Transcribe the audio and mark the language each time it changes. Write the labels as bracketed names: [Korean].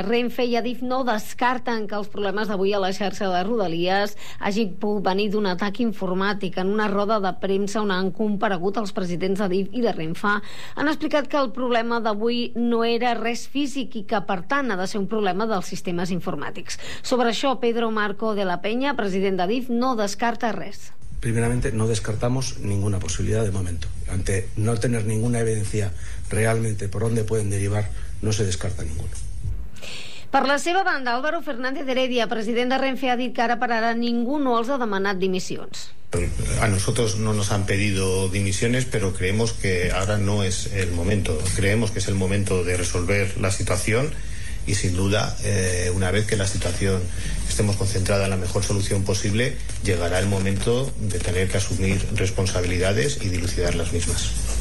[Catalan] Renfe i Adif no descarten que els problemes d'avui a la xarxa de Rodalies hagin pogut venir d'un atac informàtic. En una roda de premsa on han comparegut els presidents d'Adif i de Renfe han explicat que el problema d'avui no era res físic i que, per tant, ha de ser un problema dels sistemes informàtics. Sobre això, Pedro Marco de la Peña, president d'Adif, no descarta res. [Spanish] Primeramente, no descartamos ninguna posibilidad de momento. Ante no tener ninguna evidencia realmente por dónde pueden derivar, no se descarta ninguna. [Catalan] Per la seva banda, Álvaro Fernández Heredia, president de Renfe, ha dit que ara per ara ningú no els ha demanat dimissions. [Spanish] A nosotros no nos han pedido dimisiones, pero creemos que ahora no es el momento. Creemos que es el momento de resolver la situación y, sin duda, una vez que la situación estemos concentrada en la mejor solución posible, llegará el momento de tener que asumir responsabilidades y dilucidar las mismas.